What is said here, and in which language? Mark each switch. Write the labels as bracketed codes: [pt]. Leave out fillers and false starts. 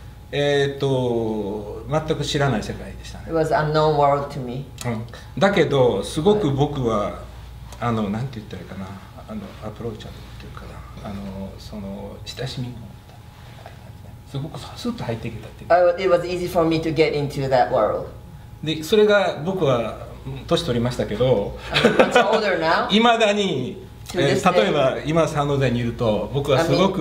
[ja] 全く知らない世界でしたね。 [en] It was unknown world to me. [ja] うん。だけど、すごく僕は、なんて言ったらいいかな、アプローチャーっていうかな、その、親しみを持った。すごくスッと入ってきたっていう。 [en] It was easy for me to get into that world. [ja] で、それが僕は、年取りましたけど、 [en] It's older now. [ja] 未だに、例えば今サンホゼにいると僕はすごく